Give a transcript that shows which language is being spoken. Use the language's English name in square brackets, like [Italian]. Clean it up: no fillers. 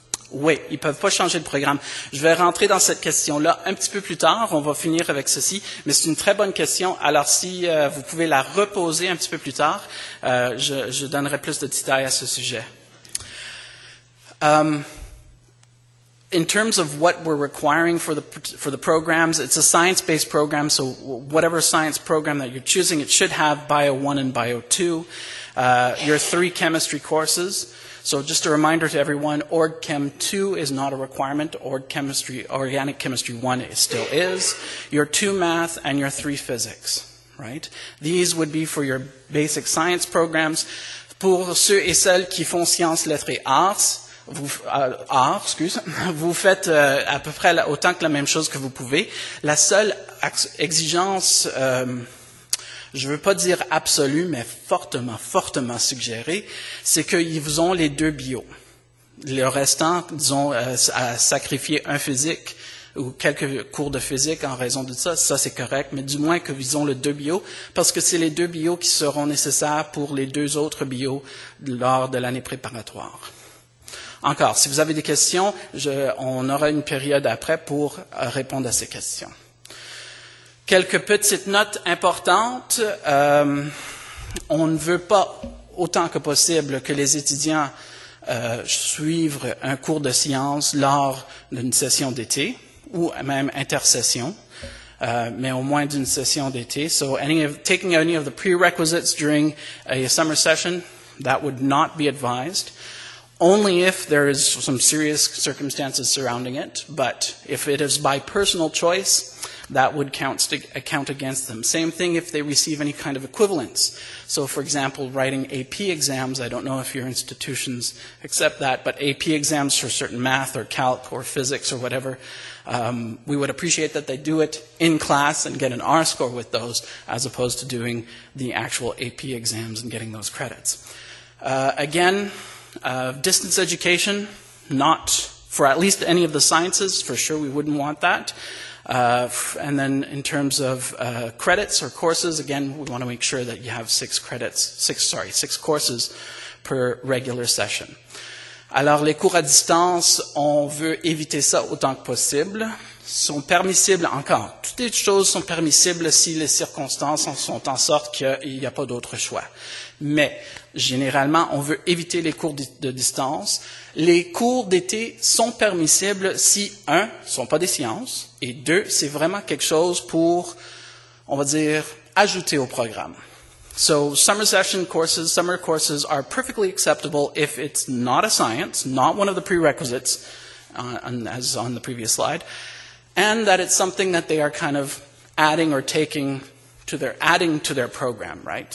[French] Oui, ils ne peuvent pas changer de programme. Je vais rentrer dans cette question-là un petit peu plus tard. On va finir avec ceci, mais c'est une très bonne question. Alors, si vous pouvez la reposer un petit peu plus tard, je donnerai plus de détails à ce sujet. [English] In terms of what we're requiring for the programs, it's a science-based program, so whatever science program that you're choosing, it should have Bio 1 and Bio 2, your 3 chemistry courses. So just a reminder to everyone, Org Chem 2 is not a requirement. Org Chemistry, Organic Chemistry 1 still is. Your 2 math and your 3 physics, right? These would be for your basic science programs. [French] Pour ceux et celles qui font sciences, lettres et arts, vous faites à peu près autant que la même chose que vous pouvez. La seule exigence, je ne veux pas dire absolu, mais fortement, fortement suggéré, c'est qu'ils ont les 2 bio. Le restant, disons, à sacrifier un physique ou quelques cours de physique en raison de ça, ça c'est correct, mais du moins qu'ils ont les 2 bio, parce que c'est les 2 bio qui seront nécessaires pour les 2 autres bio lors de l'année préparatoire. Encore, si vous avez des questions, on aura une période après pour répondre à ces questions. Quelques petites notes importantes. On ne veut pas autant que possible que les étudiants suivent un cours de sciences lors d'une session d'été ou même intersession, mais au moins d'une session d'été. [English] So taking any of the prerequisites during a summer session, that would not be advised. Only if there is some serious circumstances surrounding it, but if it is by personal choice, that would count against them. Same thing if they receive any kind of equivalence. So, for example, writing AP exams, I don't know if your institutions accept that, but AP exams for certain math or calc or physics or whatever, we would appreciate that they do it in class and get an R score with those, as opposed to doing the actual AP exams and getting those credits. Distance education, not for at least any of the sciences, for sure we wouldn't want that. And then in terms of credits or courses, again, we want to make sure that you have 6 courses per regular session. [French] Alors, les cours à distance, on veut éviter ça autant que possible. Sont permissibles, encore, toutes les choses sont permissibles si les circonstances sont en sorte qu'il n'y a pas d'autre choix. Mais, généralement, on veut éviter les cours de distance. Les cours d'été sont permissibles si, 1, ce ne sont pas des sciences, et 2, c'est vraiment quelque chose pour, on va dire, ajouter au programme. [English] So, summer courses are perfectly acceptable if it's not a science, not one of the prerequisites, as on the previous slide, and that it's something that they are kind of adding to their program, right?